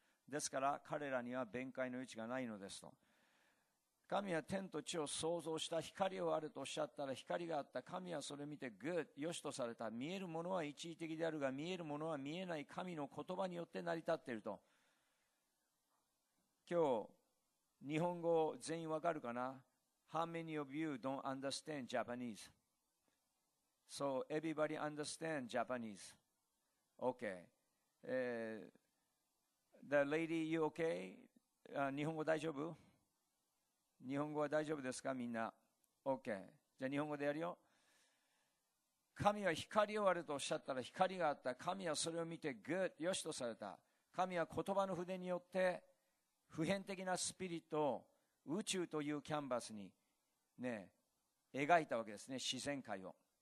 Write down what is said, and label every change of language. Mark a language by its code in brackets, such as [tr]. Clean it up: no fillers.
[ja] ですから彼らには弁解の余地がないのですと。神は天と地を創造した、光をあるとおっしゃったら光があった、神はそれ見てグッよしとされた、見えるものは一時的であるが見えるものは見えない神の言葉によって成り立っていると。今日日本語全員わかるかな。 [en] How many of you don't understand Japanese? So everybody understand Japanese? [ja] OK、 [en] The lady, you OK?、 [ja] 日本語大丈夫、日本語は大丈夫ですかみんな。 OK。じゃあ日本語でやるよ。神は光をあるとおっしゃったら光があった、神はそれを見てグッよしとされた、神は言葉の筆によって普遍的なスピリットを宇宙というキャンバスにね描いたわけですね、自然界を。